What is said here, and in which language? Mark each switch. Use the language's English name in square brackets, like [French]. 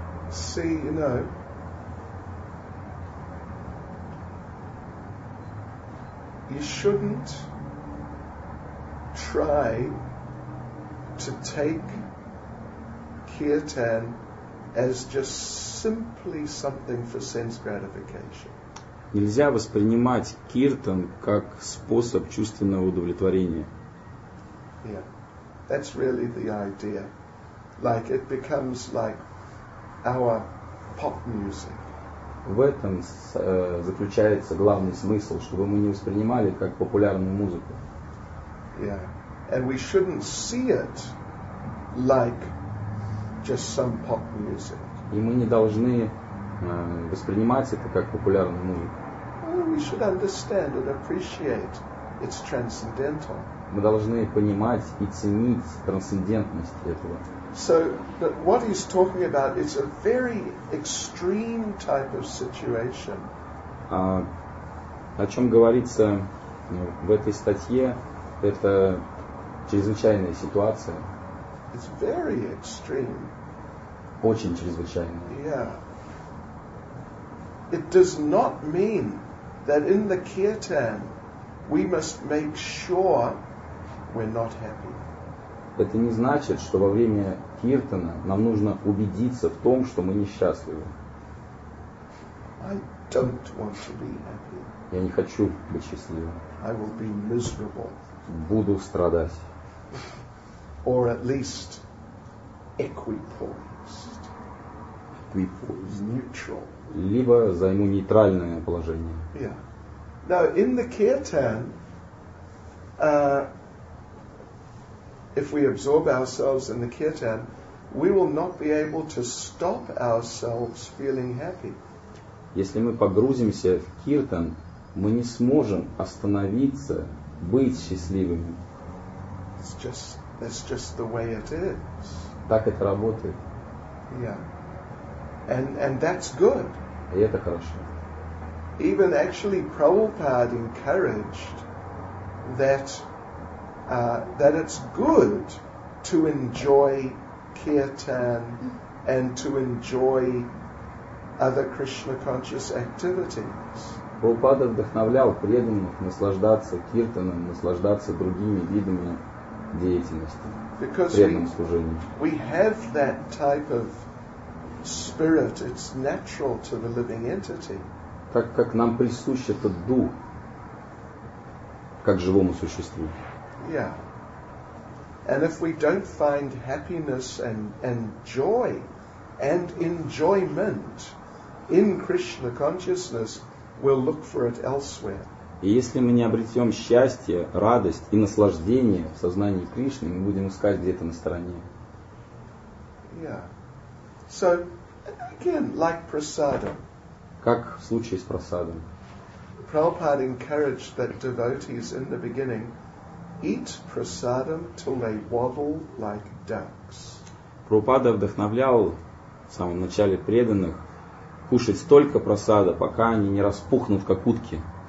[English] See, you know, you shouldn't try to take kirtan as just simply something for sense gratification. [Russian] Нельзя воспринимать киртан как способ чувственного удовлетворения. [English] Yeah, that's really the idea. Like, it becomes like our pop music. [Russian] В этом заключается главный смысл, чтобы мы не воспринимали как популярную музыку. [English] Yeah, and we shouldn't see it like just some pop music. [Russian] И мы не должны воспринимать это как популярную музыку. [English] Well, we should understand and appreciate its transcendental. [Russian] Мы должны понимать и ценить трансцендентность этого. [English] So, but what he's talking about is a very extreme type of situation. [Russian] О чем говорится в этой статье, это чрезвычайная ситуация. [English] It's very extreme. [Russian] Очень чрезвычайная. [English] Yeah. It does not mean that in the kirtan we must make sure we're not happy. [Russian] Это не значит, что во время киртана нам нужно убедиться в том, что мы несчастливы. [English] I don't want to be happy. [Russian] Я не хочу быть счастливым. [English] I will be miserable. [Russian] Буду страдать. [English] Or at least equipoised. Equipoised. Neutral. [Russian] Либо займу нейтральное положение. [English] Yeah. Now in the kirtan, if we absorb ourselves in the kirtan, we will not be able to stop ourselves feeling happy. [Russian] Если мы погрузимся в киртан, мы не сможем остановиться быть счастливыми. [English] That's just the way it is. [Russian] Так это работает. [English] Yeah. And that's good. [Russian] И это хорошо. [English] Even actually Prabhupada encouraged that that it's good to enjoy kirtan and to enjoy other Krishna conscious activities. [Russian] Prabhupada вдохновлял преданных наслаждаться киртаном, наслаждаться другими видами деятельности, преданным служением. [English] We have that type of spirit, it's natural to the living entity. [Russian] Так как нам присущ этот дух, как живому существу. [English] Yeah. And if we don't find happiness and joy and enjoyment in Krishna consciousness, we'll look for it elsewhere. [Russian] И если мы не обретем счастье, радость и наслаждение в сознании Кришны, мы будем искать где-то на стороне. [English] Yeah. So, again, like prasadam. [Russian] Как в случае с прасадом. [English] Prabhupada encouraged that devotees in the beginning eat prasadam till they wobble like ducks. [Russian] Prabhupada вдохновлял в самом начале преданных кушать столько прасада, пока они не распухнут как утки.